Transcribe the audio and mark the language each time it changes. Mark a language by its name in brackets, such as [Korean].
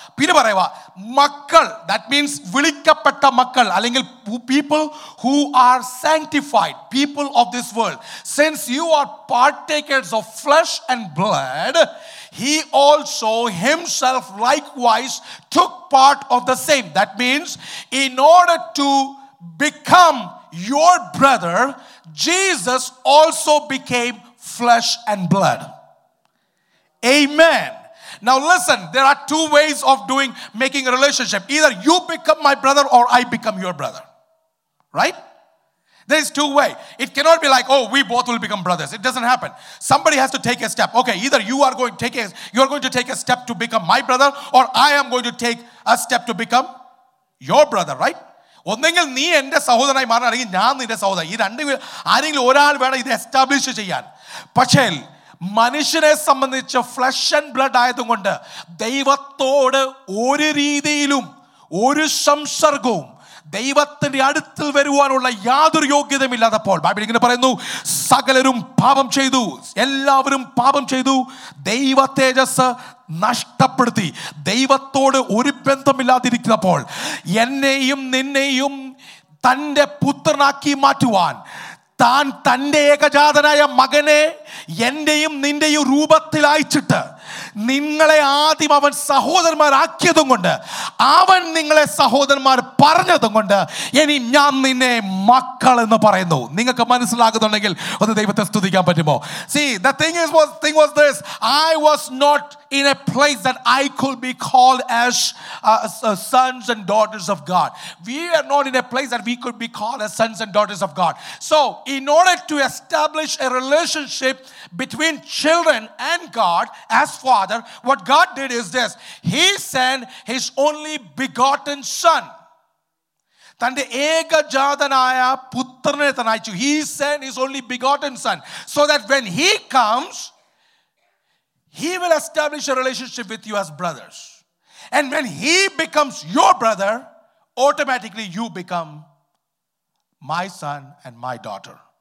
[Malayalam] പിന്നെ പറയുക, മക്കൾ, [English] that means [Malayalam] വിളിക്കപ്പെട്ട മക്കൾ, അല്ലെങ്കിൽ [English] People who are sanctified people of this world. Since you are partakers of flesh and blood, he also himself likewise took part of the same. That means in order to become your brother, Jesus also became flesh and blood. Amen. Now listen, there are two ways of making a relationship. Either you become my brother or I become your brother. Right? There is two ways. It cannot be like, oh, we both will become brothers. It doesn't happen. Somebody has to take a step. Okay, either you are going to take a step to become my brother, or I am going to take a step to become your brother, right? [Malayalam] ഒന്നെങ്കിൽ നീ എൻ്റെ സഹോദരനായി മാറണം, അല്ലെങ്കിൽ ഞാൻ നിന്റെ സഹോദരൻ. ഈ രണ്ട് ആരെങ്കിലും ഒരാൾ വേണം ഇത് എസ്റ്റാബ്ലിഷ് ചെയ്യാൻ. പക്ഷേ മനുഷ്യനെ സംബന്ധിച്ച് [English] flesh and blood [Malayalam] ആയതുകൊണ്ട് ദൈവത്തോട് ഒരു രീതിയിലും ഒരു സംസർഗവും ദൈവത്തിന്റെ അടുത്ത് വരുവാനുള്ള യാതൊരു യോഗ്യതയും ഇല്ലാത്തപ്പോൾ ബൈബിൾ ഇങ്ങനെ പറയുന്നു, സകലരും പാപം ചെയ്തു, എല്ലാവരും പാപം ചെയ്തു, ദൈവ തേജസ് നഷ്ടപ്പെടുത്തി, ദൈവത്തോട് ഒരു ബന്ധമില്ലാതിരിക്കുന്നപ്പോൾ എന്നെയും നിന്നെയും തൻ്റെ പുത്രനാക്കി മാറ്റുവാൻ താൻ തൻ്റെ ഏകജാതനായ മകനെ എൻ്റെയും നിൻ്റെയും രൂപത്തിൽ അയച്ചിട്ട് നിങ്ങളെ ആദ്യം അവൻ സഹോദരന്മാരാക്കിയതും കൊണ്ട് അവൻ നിങ്ങളെ സഹോദരന്മാർ പറഞ്ഞതും കൊണ്ട് ഇനി ഞാൻ നിന്നെ മക്കൾ എന്ന് പറയുന്നു. നിങ്ങൾക്ക് മനസ്സിലാകുന്നുണ്ടെങ്കിൽ ഒന്ന് ദൈവത്തെ സ്തുതിക്കാൻ പറ്റുമോ? [English] See, the thing was this, I was not in a place that I could be called as sons and daughters of God. We are not in a place that we could be called as sons and daughters of God. So in order to establish a relationship between children and God as father, what God did is this, he sent his only begotten son. [Malayalam] തൻ്റെ ഏകജാതനായ പുത്രനെ തന്നെ അയച്ചു. [English] He sent his only begotten son so that when he comes, he will establish a relationship with you as brothers. And when he becomes your brother, automatically you become my son and my daughter.